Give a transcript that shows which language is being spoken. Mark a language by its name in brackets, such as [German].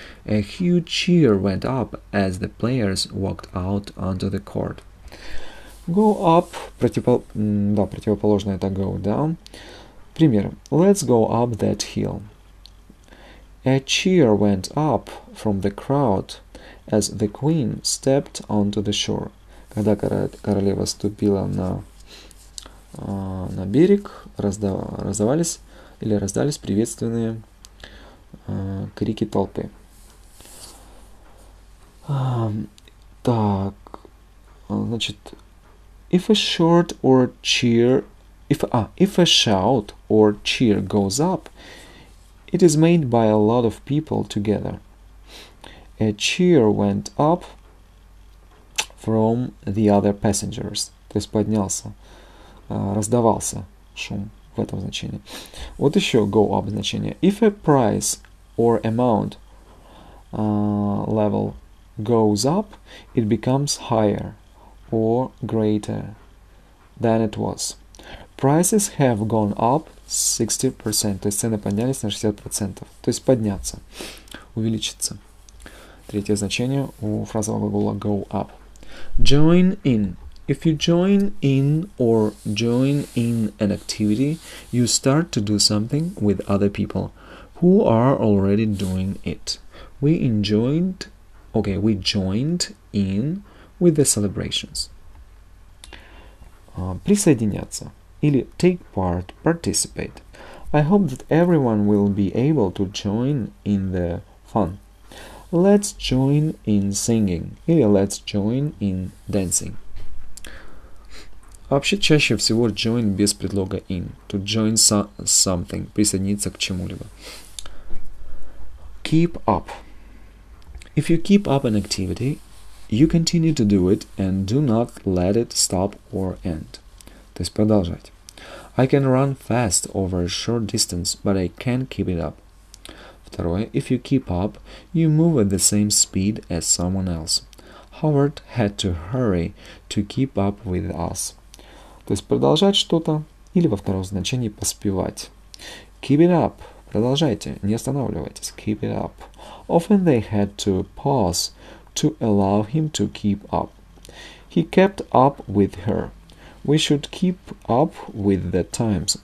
[English] A huge cheer went up as the players walked out onto the court. [Russian] Go up, противоположное это go down. [English] Пример, let's go up that hill. A cheer went up from the crowd as the queen stepped onto the shore. [Russian] Когда королева ступила на берег, раздались приветственные крики толпы. Так, значит, [English] if a shout or cheer goes up, it is made by a lot of people together. A cheer went up from the other passengers. [Russian] То есть поднялся, раздавался шум в этом значении. Вот еще go up значение. [English] If a price or amount level goes up, it becomes higher or greater than it was. Prices have gone up 60%. [Russian] То есть цены поднялись на 60%. То есть подняться, увеличиться. Третье значение у фразового глагола go up. [English] Join in. If you join in or join in an activity, you start to do something with other people who are already doing it. We joined in with the celebrations. [Russian] Присоединяться или [English] take part, participate. I hope that everyone will be able to join in the fun. Let's join in singing. Или let's join in dancing. [Russian] Вообще, чаще всего join без предлога in. [English] To join something. [Russian] Присоединиться к чему-либо. [English] Keep up. If you keep up an activity, you continue to do it and do not let it stop or end. [Russian] То есть продолжать. [English] I can run fast over a short distance, but I can't keep it up. [Russian] Второе. [English] If you keep up, you move at the same speed as someone else. Howard had to hurry to keep up with us. [Russian] То есть продолжать что-то или во втором значении поспевать. [English] Keep it up. [Russian] Продолжайте. Не останавливайтесь. [English] Keep it up. Often they had to pause to allow him to keep up. He kept up with her. We should keep up with the times.